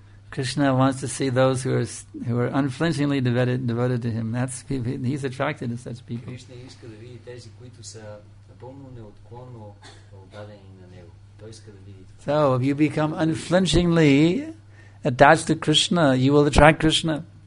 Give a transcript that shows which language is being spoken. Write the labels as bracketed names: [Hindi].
[English] Krishna wants to see those who are unflinchingly devoted to him. That's he's attracted to such people. [Bulgarian] Krishna иска да види тези, които са напълно неотклонно отдадени на него. Той иска да види. [English] So if you become unflinchingly attached to Krishna, you will attract Krishna.